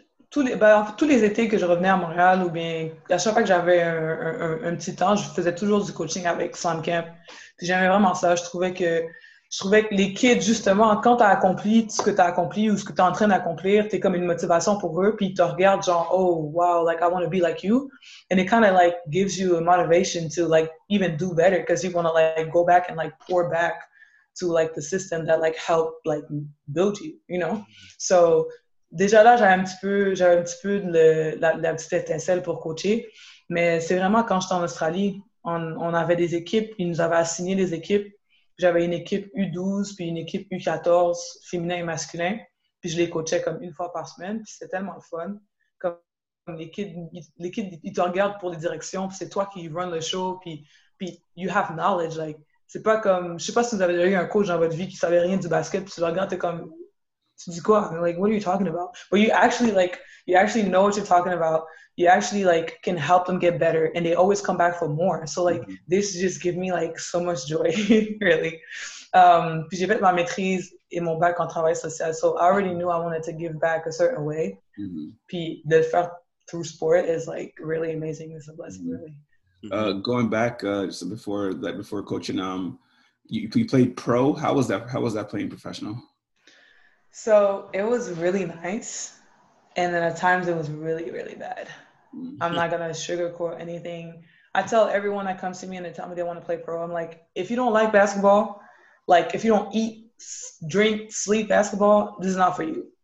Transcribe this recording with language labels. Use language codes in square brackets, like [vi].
[fr] Tous les étés que je revenais à Montréal ou bien à chaque fois que j'avais un petit temps, je faisais toujours du coaching avec Slam Camp. Puis j'aimais vraiment ça. Je trouvais que les kids, justement, quand tu as accompli ce que tu as accompli ou ce que tu es en train d'accomplir, tu es comme une motivation pour eux. Puis ils te regardent genre, oh, wow, like, [en] I want to be like you. And it kind of, like, gives you a motivation to, like, even do better because you want to, like, go back and, like, pour back to, like, the system that, like, helped, like, build you, you know? [fr] So déjà là, j'avais un petit peu la petite étincelle pour coacher. Mais c'est vraiment quand j'étais en Australie, on avait des équipes, ils nous avaient assigné des équipes. J'avais une équipe U12, puis une équipe U14, féminin et masculin. Puis je les coachais comme une fois par semaine, puis c'était tellement fun. Comme l'équipe, ils te regardent pour les directions, puis c'est toi qui run le show, puis [en] you have knowledge. [fr] Like, c'est pas comme, je sais pas si vous avez déjà eu un coach dans votre vie qui savait rien du basket, puis tu le regardes, t'es comme, like, [en] what are you talking about? But you actually, like, you actually know what you're talking about. You actually, like, can help them get better. And they always come back for more. So, like, this just gives me, like, so much joy, really. [fr] Puis j'ai fait ma maîtrise et mon bac en travail social. [en] So I already knew I wanted to give back a certain way. [fr] Mm-hmm. Puis de faire [en] through sport is like really amazing. It's a blessing, really. Going back, so before that, before coaching, you played pro. How was that playing professional? So it was really nice, and then at times it was really, really bad. I'm not gonna sugarcoat anything. I tell everyone that comes to me and they tell me they want to play pro, I'm like, if you don't like basketball, like if you don't eat, drink, sleep basketball, this is not for you.